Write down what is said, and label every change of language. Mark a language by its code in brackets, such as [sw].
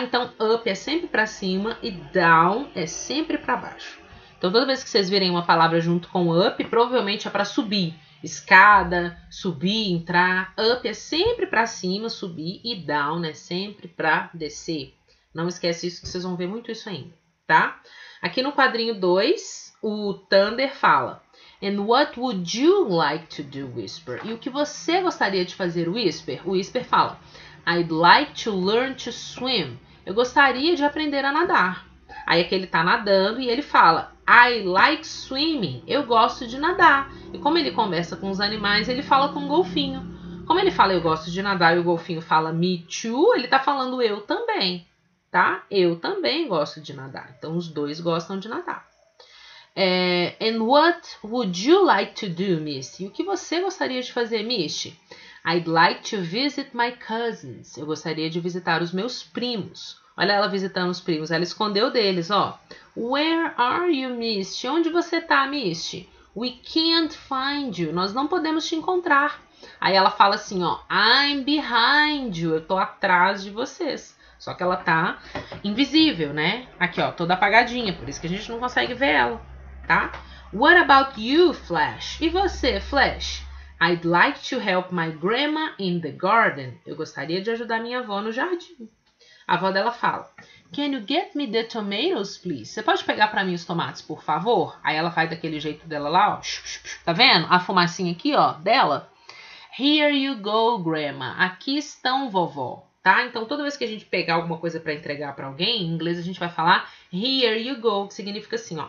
[pt] Então, up é sempre para cima e down é sempre para baixo. Então, toda vez que vocês virem uma palavra junto com up, provavelmente é para subir. Escada, subir, entrar. Up é sempre para cima, subir, e down é sempre para descer. Não esquece isso, que vocês vão ver muito isso ainda. Tá? Aqui no quadrinho 2, o Thunder fala, [en] and what would you like to do, [pt] Whisper? E o que você gostaria de fazer, Whisper? O Whisper fala, [en] I'd like to learn to swim. [pt] Eu gostaria de aprender a nadar. Aí é que ele tá nadando e ele fala, [en] I like swimming. [pt] Eu gosto de nadar. E como ele conversa com os animais, ele fala com o golfinho. Como ele fala, eu gosto de nadar, e o golfinho fala, [en] me too, [pt] ele tá falando, eu também. Tá? Eu também gosto de nadar. Então, os dois gostam de nadar. [en] É, and what would you like to do, Misty? [pt] O que você gostaria de fazer, Misty? [en] I'd like to visit my cousins. [pt] Eu gostaria de visitar os meus primos. Olha ela visitando os primos. Ela escondeu deles, ó. [en] Where are you, Misty? Onde você tá, Misty? We can't find you. [pt] Nós não podemos te encontrar. Aí ela fala assim, ó. [en] I'm behind you. [pt] Eu tô atrás de vocês. Só que ela tá invisível, né? Aqui, ó. Toda apagadinha. Por isso que a gente não consegue ver ela, tá? [en] What about you, Flash? [pt] E você, Flash? [en] I'd like to help my grandma in the garden. [pt] Eu gostaria de ajudar minha avó no jardim. A avó dela fala, [en] can you get me the tomatoes, please? [pt] Você pode pegar para mim os tomates, por favor? Aí ela vai daquele jeito dela lá, ó. Tá vendo? A fumacinha aqui, ó, dela. [en] Here you go, grandma. [pt] Aqui estão, vovó. Tá? Então, toda vez que a gente pegar alguma coisa para entregar para alguém, em inglês a gente vai falar, [en] here you go, [pt] que significa assim, ó.